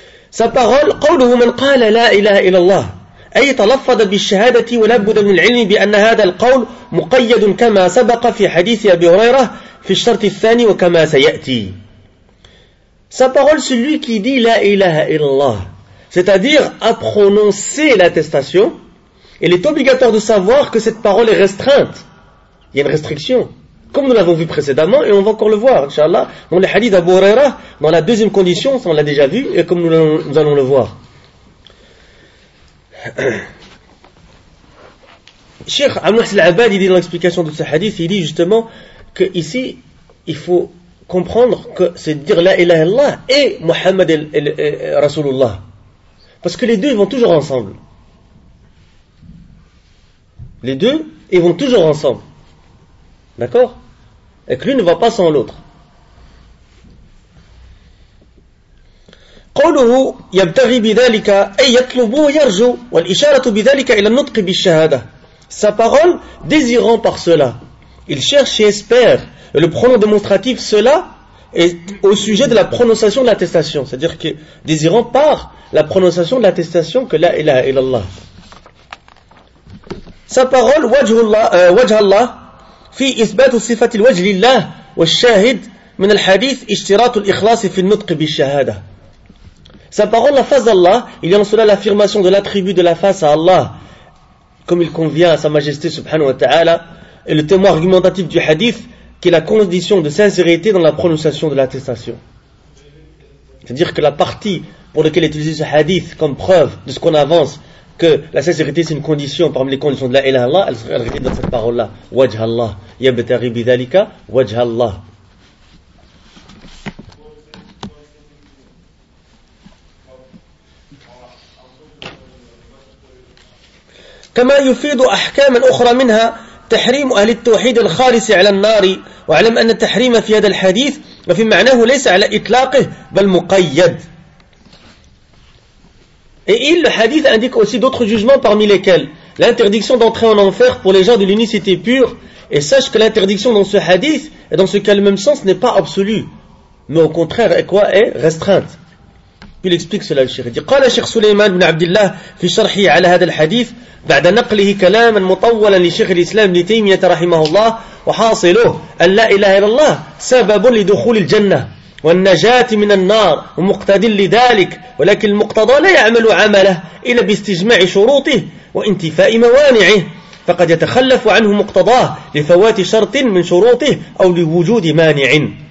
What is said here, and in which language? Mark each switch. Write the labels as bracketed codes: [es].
[fr] Sa parole, [ar] قوله من قال لا إله إلا الله. أي تلفظ بالشهادة ولا بد من العلم بأن هذا القول مقيد كما سبق في حديث أبي هريرة في الشرط الثاني وكما سيأتي. [fr] Sa parole, celui qui dit la ilaha illallah, c'est-à-dire à prononcer l'attestation, il est obligatoire de savoir que cette parole est restreinte. Il y a une restriction. Comme nous l'avons vu précédemment, et on va encore le voir, inshallah, dans les hadiths d'Abu Huraira, dans la deuxième condition, ça on l'a déjà vu, et comme nous allons le voir. Cheikh Amnus al-Abad, il dit dans l'explication de ce hadith, il dit justement que ici, il faut comprendre que c'est dire la ilaha illallah et Muhammad Rasulullah. Parce que les deux, ils vont toujours ensemble. Les deux, ils vont toujours ensemble. D'accord? Et que l'une ne va pas sans l'autre. [ar] قوله يبتغي بذلك أي يطلب ويرجو والإشارة بذلك إلى النطق بالشهادة. [fr] Sa parole, désirant par cela, il cherche et espère. Et le pronom démonstratif cela est au sujet de la prononciation de l'attestation. C'est-à-dire que désirant par la prononciation de l'attestation que la ilaha illallah. Sa parole [ar] wajhallah في إثبات صفة الوجه لله والشاهد من الحديث اشتراط الإخلاص في النطق بالشهادة. [fr] Sa parole, la face d'Allah, il y a en cela l'affirmation de l'attribut de la face à Allah, comme il convient à sa majesté subhanahu wa ta'ala, et le témoin argumentatif du hadith, qui est la condition de sincérité dans la prononciation de l'attestation. C'est-à-dire que la partie pour laquelle est utilisé ce hadith comme preuve de ce qu'on avance, que la sincérité c'est une condition parmi les conditions de la ilaha illallah, elle serait réduite dans cette parole-là. [ar] Wajh Allah. Yabtaghi bidhalika, wajh Allah. كما يفيد أحكاما أخرى منها تحريم أهل التوحيد الخالص على النار وعلم أن التحريم في هذا الحديث وفي معناه ليس على إطلاقه بل مقيد. [fr] Et il, le hadith indique aussi d'autres jugements parmi lesquels l'interdiction d'entrer en enfer pour les gens de l'unicité pure. Et sache que l'interdiction dans ce hadith et dans ce cas le même sens n'est pas absolue, mais au contraire est quoi, est restreinte. Puis il explique cela le shaykh. Il dit [ar] قال الشيخ سليمان بن عبد الله في شرحه على هذا الحديث بعد نقله كلاما مطولا لشيخ الإسلام ابن تيمية رحمه الله وحاصله أن لا إله إلا الله سبب لدخول الجنة والنجاة من النار ومقتد لذلك ولكن المقتضى لا يعمل عمله إلا باستجماع شروطه وانتفاء موانعه فقد يتخلف عنه مقتضاه لفوات شرط من شروطه أو لوجود مانع